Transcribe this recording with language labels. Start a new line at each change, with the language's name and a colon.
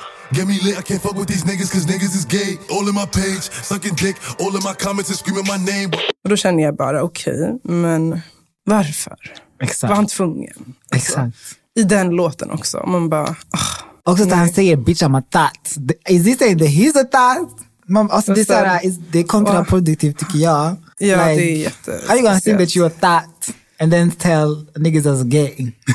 English: Get me lit, I can't fuck with these niggas cause niggas is gay. All in my page, sucking dick. All in my comments and screaming my name.
Swedish: Och då känner jag bara, okej, men varför? Exakt. Var han tvungen? Exakt. Alltså, i den låten också, man bara Också att han säger,
English: bitch I'm a thot. Is he saying that he's a thot?
Swedish: Man, alltså det är kontraproduktivt tycker jag. Ja, like, det är jätte.
English: How are you gonna think that you're a thot and then tell niggas as gay?